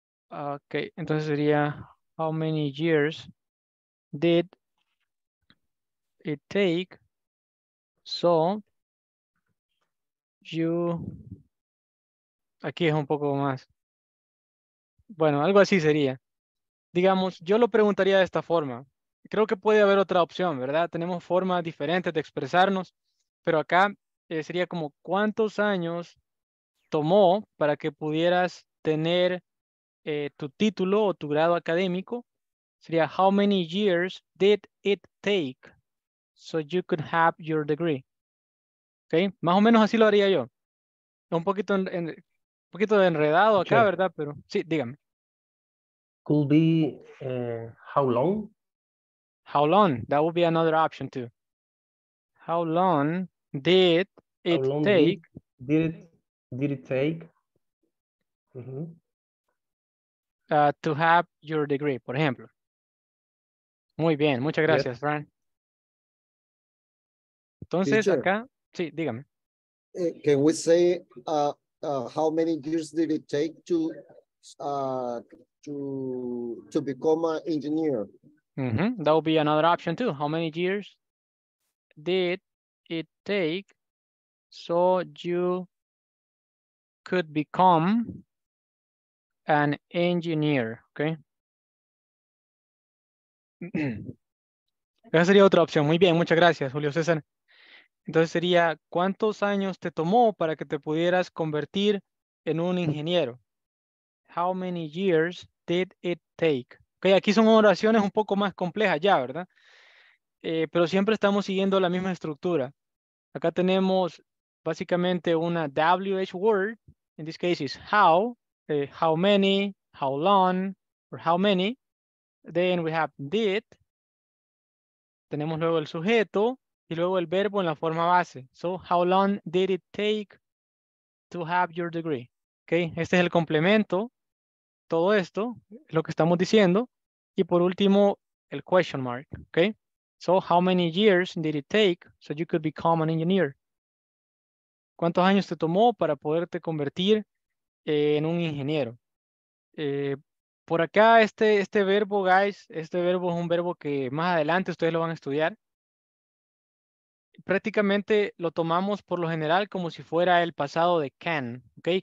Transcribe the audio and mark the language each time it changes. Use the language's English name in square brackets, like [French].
[Spanish] Ok, entonces sería, [English] how many years did it take so you, [Spanish] aquí es un poco más, bueno, algo así sería, digamos, yo lo preguntaría de esta forma, creo que puede haber otra opción, ¿verdad? Tenemos formas diferentes de expresarnos, pero acá sería como, ¿cuántos años tomó para que pudieras tener tu título o tu grado académico? Sería, [English] how many years did it take so you could have your degree? [Spanish] Ok, más o menos así lo haría yo. Un poquito de enredado acá, sure. ¿Verdad? Pero sí, dígame. [English] Could be, how long? How long? That would be another option too. How long did it take? Did it take? Mm-hmm. To have your degree, [Spanish] por ejemplo. Muy bien, muchas gracias, yes. Fran. Entonces, teacher, acá, sí, dígame. [English] Can we say how many years did it take to become an engineer? Mm-hmm. That would be another option too. How many years did it take so you could become an engineer? Okay. [Spanish] Esa sería otra opción. Muy bien, muchas gracias, Julio César. Entonces sería, ¿cuántos años te tomó para que te pudieras convertir en un ingeniero? [English] How many years did it take? [Spanish] Ok, aquí son oraciones un poco más complejas ya, ¿verdad? Pero siempre estamos siguiendo la misma estructura. Acá tenemos básicamente una WH word. [English] In this case is how, how many, how long, or how many. Then we have did, [Spanish] tenemos luego el sujeto y luego el verbo en la forma base. [English] So, how long did it take to have your degree? [Spanish] Okay, este es el complemento. Todo esto, lo que estamos diciendo. Y por último, el [English] question mark. Okay, so how many years did it take so you could become an engineer? [Spanish] ¿Cuántos años te tomó para poderte convertir en un ingeniero? Por acá, este verbo, guys, este verbo es un verbo que más adelante ustedes lo van a estudiar. Prácticamente lo tomamos por lo general como si fuera el pasado de can. Okay?